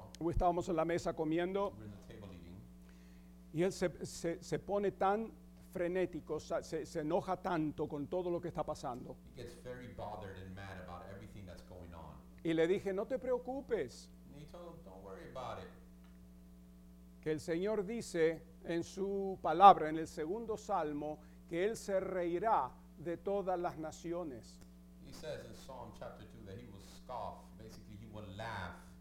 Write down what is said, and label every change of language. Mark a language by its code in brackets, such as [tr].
[es] Estábamos en la mesa comiendo y él se pone tan frenético, se enoja tanto con todo lo que está pasando. [en] He gets very bothered and mad about everything that's going on. [es] Y le dije, no te preocupes. [en] And he told him, don't worry about it. [es] Que el Señor dice en su palabra, en el segundo salmo, que él se reirá de todas las naciones. [en] He says in Psalm chapter 2 that he will scoff, basically he will laugh.